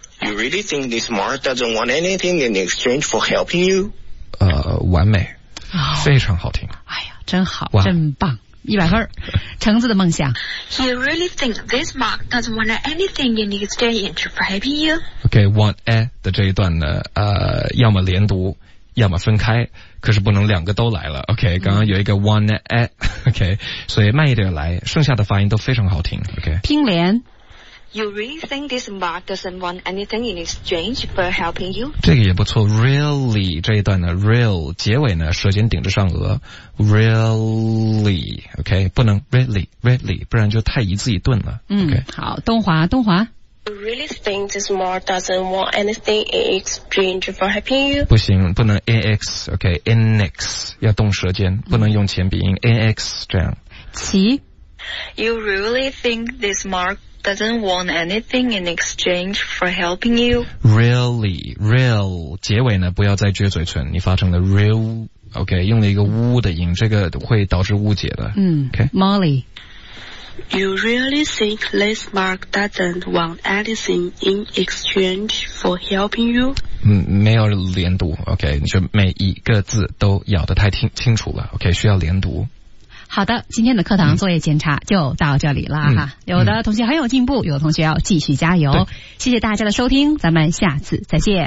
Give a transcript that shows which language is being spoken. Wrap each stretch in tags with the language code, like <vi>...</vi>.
<en>You really think this Mark doesn't want anything in exchange for helping you?</en> <zh>完美，非常好听。哎呀，真好，真棒，100分。橙子的梦想。</zh> <en>You really think this Mark doesn't want anything in exchange for helping you?</en> <zh>Okay, want a 的这一段呢，要么连读。要么分开，可是不能两个都来了。 OK， 刚刚有一个 one at OK， 所以慢一点来，剩下的发音都非常好听。OK，听莲。</zh> <en>You really think this Mark doesn't want anything in exchange for helping you?</en> <zh>这个也不错 ，really 这一段呢 ，real 结尾呢，舌尖顶着上颚 ，really，OK，、okay? 不能 really，really， 不然就太一字一顿了。Okay? 嗯，好，东华，东华。</zh> <en>You really think this Mark doesn't want anything in exchange for helping you?</en> <zh>不行，不能 in x， OK， in x 要动舌尖，不能用前鼻音 in x 这样。齐。</zh> <en>You really think this Mark doesn't want anything in exchange for helping you?</en> <zh>Really, real 结尾呢不要再撅嘴唇，你发成了 real， OK， 用了一个呜的音，这个会导致误解的。嗯，OK， Molly，</zh> <en>You really think this Mark doesn't want anything in exchange for helping you?</en> <zh>嗯，没有连读 ，OK， 你就每一个字都咬得太清楚了 ，OK， 需要连读。好的，今天的课堂作业检查就到这里了哈。有的同学很有进步，有的同学要继续加油。谢谢大家的收听，咱们下次再见。</zh>